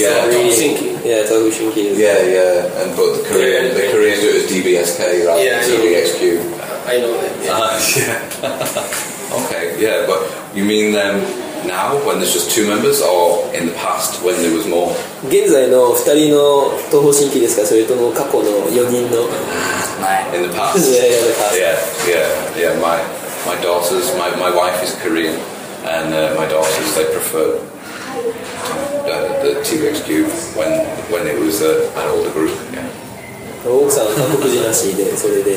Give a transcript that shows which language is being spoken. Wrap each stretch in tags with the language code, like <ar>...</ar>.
<en>really. Yeah, The Ho Shin Ki. Yeah, yeah. And but the Koreans do it as DBSK rather than TVXQ. I know that. Yeah. Okay. Yeah, but you mean then now when there's just two members, or in the past when there was more?</en> <ja>現在の2人の東方神起ですか、それとも過去の4人の</ja> <en>In the past. Yeah. My daughters, my wife is Korean, and my daughters, they prefer the TVXQ when it was an older group. Yeah.</en> <ja>奥さん韓国人らしいで、それで、</ja>